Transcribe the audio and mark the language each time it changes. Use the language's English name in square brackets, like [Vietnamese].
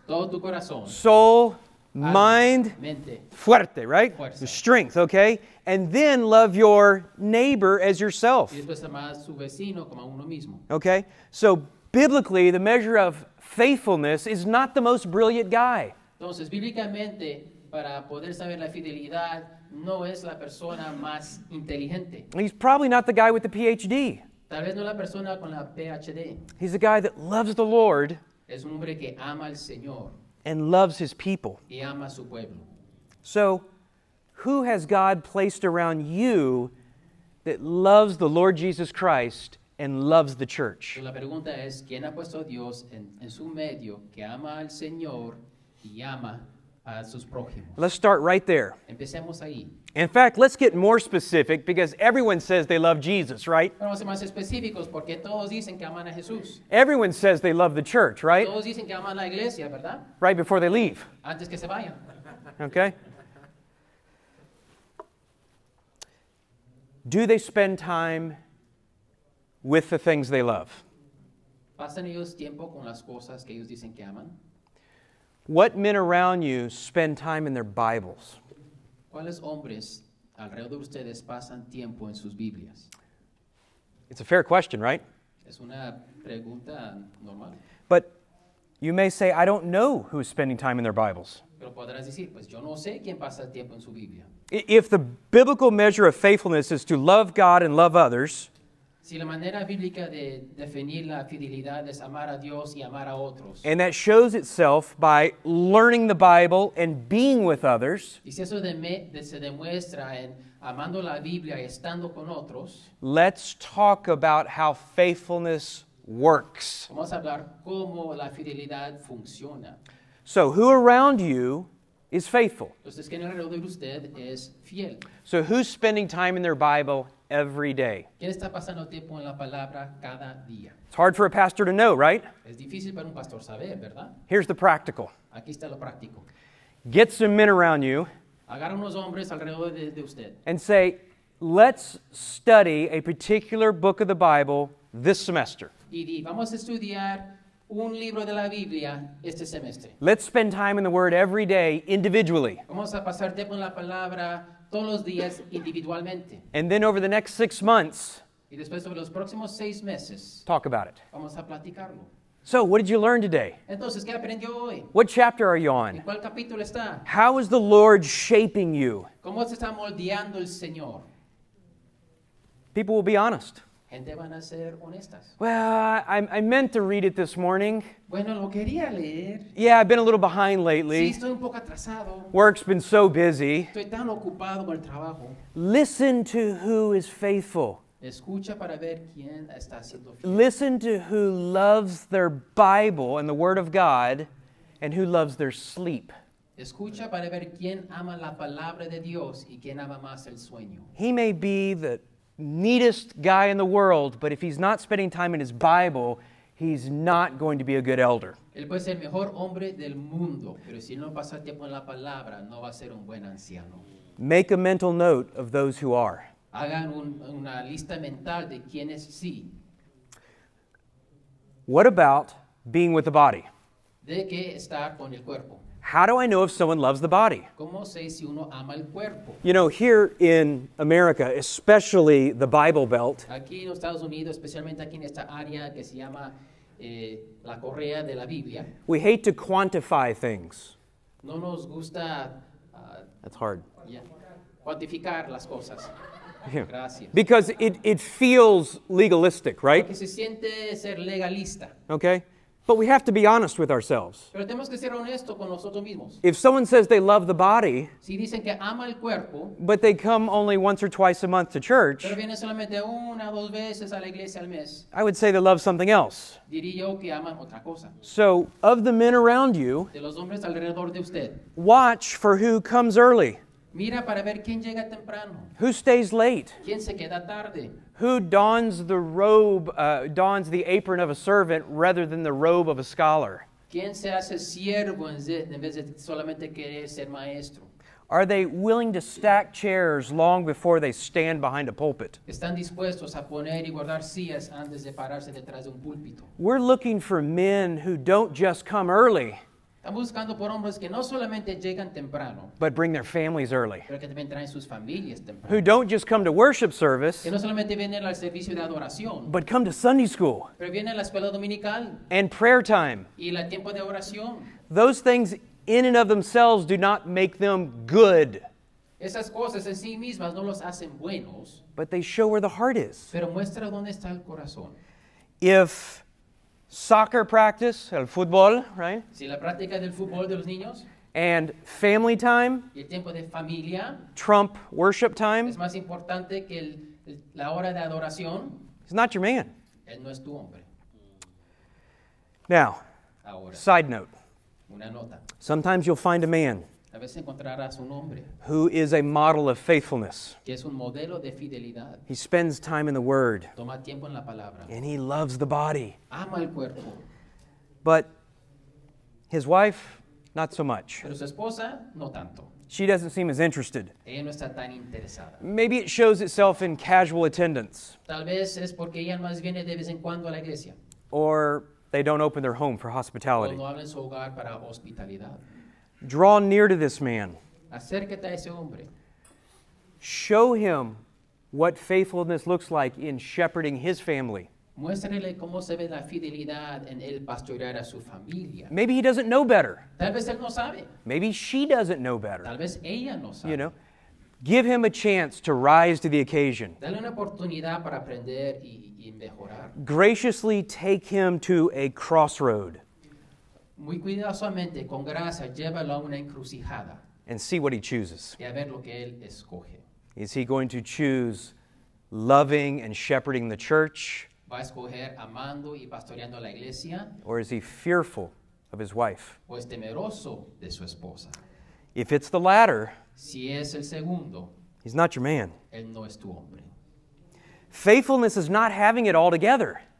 [Spanish] todo tu corazón, [English] soul, Mind, [Spanish] mente. Fuerte, [English] right? [Spanish] Fuerza. [English] Strength, okay? And then love your neighbor as yourself. [Spanish] Y después amar a su vecino como a uno mismo. [English] Okay? So, biblically, the measure of faithfulness is not the most brilliant guy. [Spanish] Entonces, bíblicamente, para poder saber la fidelidad, no es la persona más inteligente. [English] He's probably not the guy with the PhD. [Spanish] Tal vez no la persona con la PhD. [English] He's the guy that loves the Lord. [Spanish] Es un hombre que ama al Señor. [English] And loves his people. [Spanish] Y ama su pueblo. [English] So, who has God placed around you that loves the Lord Jesus Christ and loves the church? [Spanish] La pregunta es, ¿quién ha puesto a Dios en su medio que ama al Señor y ama a sus prójimos? [English] Let's start right there. [Spanish] Empecemos ahí. [English] In fact, let's get more specific because everyone says they love Jesus, right? [Spanish] Vamos a ser más específicos porque todos dicen que aman a Jesús. [English] Everyone says they love the church, right? [Spanish] Todos dicen que aman la iglesia, ¿verdad? [English] Right before they leave. [Spanish] Antes que se vayan. [English] Okay. Do they spend time with the things they love? [Spanish] ¿Pasan ellos tiempo con las cosas que ellos dicen que aman? [English] What men around you spend time in their Bibles? [Spanish] ¿Cuáles hombres alrededor de ustedes pasan tiempo en sus Biblias? [English] It's a fair question, right? [Spanish] Es una pregunta normal. [English] But you may say, I don't know who's spending time in their Bibles. [Spanish] Pero podrás decir, pues yo no sé quién pasa tiempo en su Biblia. [English] If the biblical measure of faithfulness is to love God and love others, [Spanish] si la manera bíblica de definir la fidelidad es amar a Dios y amar a otros, [English] and that shows itself by learning the Bible and being with others, [Spanish] y si eso se demuestra en amando la Biblia y estando con otros, [English] let's talk about how faithfulness works. [Spanish] Vamos a hablar cómo la fidelidad funciona. [English] So who around you is faithful? [Spanish] Entonces, ¿quién alrededor de usted es fiel? [English] So who's spending time in their Bible every day? [Spanish] ¿Quién está pasando tiempo en la palabra cada día? [English] It's hard for a pastor to know, right? [Spanish] Es difícil para un pastor saber, ¿verdad? [English] Here's the practical. [Spanish] Aquí está lo práctico. [English] Get some men around you. [Spanish] Agarra unos hombres alrededor de usted. [English] And say, let's study a particular book of the Bible this semester. [Spanish] Y di, vamos a estudiar un libro de la Biblia este semestre. [English] Let's spend time in the Word every day individually. [Spanish] Vamos a pasar tiempo en la palabra todos los días individualmente. [English] And then over the next 6 months, [Spanish] y después sobre los próximos seis meses, [English] talk about it. [Spanish] Vamos a platicarlo. [English] So, what did you learn today? [Spanish] Entonces, ¿qué aprendió hoy? [English] What chapter are you on? [Spanish] ¿En cuál capítulo está? [English] How is the Lord shaping you? [Spanish] ¿Cómo se está moldeando el Señor? [English] People will be honest. [Spanish] Gente van a ser honestas. [English] Well, I meant to read it this morning. [Spanish] Bueno, lo quería leer. [English] Yeah, I've been a little behind lately. [Spanish] Sí, estoy un poco atrasado. [English] Work's been so busy. [Spanish] Estoy tan ocupado con el trabajo. [English] Listen to who is faithful. [Spanish] Escucha para ver quién está siendo fiel. [English] Listen to who loves their Bible and the Word of God and who loves their sleep. [Spanish] Escucha para ver quién ama la palabra de Dios y quién ama más el sueño. [English] He may be the neatest guy in the world, but if he's not spending time in his Bible, he's not going to be a good elder. [Spanish] Él puede ser el mejor hombre del mundo, pero si no pasa tiempo en la palabra, no va a ser un buen anciano. [English] Make a mental note of those who are. [Spanish] Hagan una lista mental de quienes sí. [English] What about being with the body? [Spanish] ¿De qué estar con el cuerpo? [English] How do I know if someone loves the body? [Spanish] ¿Cómo sé si uno ama el cuerpo? [English] You know, here in America, especially the Bible Belt, [Spanish] aquí en Estados Unidos, especialmente aquí en esta área que se llama la Correa de la Biblia, [English] we hate to quantify things. [Spanish] No nos gusta... [English] That's hard. [Spanish] Yeah. Quantificar las cosas. Yeah. Gracias. [English] Because it feels legalistic, right? [Spanish] Porque se siente ser legalista. [English] Okay. But we have to be honest with ourselves. [Spanish] Pero tenemos que ser honestos con nosotros mismos. [English] If someone says they love the body, [Spanish] si dicen que ama el cuerpo, [English] but they come only once or twice a month to church, [Spanish] pero viene solamente una o dos veces a la iglesia al mes, [English] I would say they love something else. [Spanish] Diría yo que aman otra cosa. [English] So, of the men around you, [Spanish] de los hombres alrededor de usted, [English] watch for who comes early. [Spanish] Mira para ver quién llega temprano. [English] Who stays late? [Spanish] ¿Quién se queda tarde? [English] Who dons the robe, dons the apron of a servant rather than the robe of a scholar? [Spanish] ¿Quién se hace siervo en vez de solamente querer ser maestro? [English] Are they willing to stack chairs long before they stand behind a pulpit? [Spanish] ¿Están dispuestos a poner y guardar sillas antes de pararse detrás de un púlpito? [English] We're looking for men who don't just come early. [Spanish] Están buscando por hombres que no solamente llegan temprano, [English] but bring their families early. [Spanish] Pero que también traen sus familias temprano. [English] Who don't just come to worship service, [Spanish] que no solamente vienen al servicio de adoración, [English] but come to Sunday school, [Spanish] pero vienen a la escuela dominical, [English] and prayer time. [Spanish] Y el tiempo de oración. [English] Those things in and of themselves do not make them good. [Spanish] Esas cosas en sí mismas no los hacen buenos, [English] but they show where the heart is. [Spanish] Pero muestra dónde está el corazón. [English] If soccer practice, [Spanish] el fútbol, [English] right? [Spanish] Si la práctica del fútbol de los niños, [English] and family time, [Spanish] y el tiempo de familia, [English] trump worship time, [Spanish] es más importante que la hora de adoración, [English] he's not your man. [Spanish] Él no es tu hombre. [English] Now, [Spanish] ahora, [English] side note. [Spanish] Una nota. [English] Sometimes you'll find a man [Spanish] a veces encontrarás un hombre [English] who is a model of faithfulness. [Spanish] Que es un modelo de fidelidad. [English] He spends time in the Word. [Spanish] Toma tiempo en la palabra. [English] And he loves the body. [Spanish] Ama el cuerpo. [English] But his wife, not so much. [Spanish] Pero su esposa, no tanto. [English] She doesn't seem as interested. [Spanish] Ella no está tan interesada. [English] Maybe it shows itself in casual attendance. [Spanish] Tal vez es porque ella más viene de vez en cuando a la iglesia. [English] Or they don't open their home for hospitality. [Spanish] O no abren su hogar para hospitalidad. [English] Draw near to this man. [Spanish] Acércate a ese hombre. [English] Show him what faithfulness looks like in shepherding his family. [Spanish] Muéstrele cómo se ve la fidelidad en él pastorear a su familia. [English] Maybe he doesn't know better. [Spanish] Tal vez él no sabe. [English] Maybe she doesn't know better. [Spanish] Tal vez ella no sabe. [English] You know, give him a chance to rise to the occasion. [Spanish] Dale una oportunidad para aprender y mejorar. [English] Graciously take him to a crossroad. [Spanish] Muy cuidadosamente, con gracia, llévalo a una encrucijada. [English] And see what he chooses. [Spanish] Y a ver lo que él escoge. [English] Is he going to choose loving and shepherding the church? [Spanish] ¿Va a escoger amando y pastoreando la iglesia? [English] Or is he fearful of his wife? [Spanish] ¿O es temeroso de su esposa? [English] If it's the latter, [Spanish] si es el segundo, [English] he's not your man. [Spanish] Él no es tu hombre. [English] Faithfulness is not having it all together.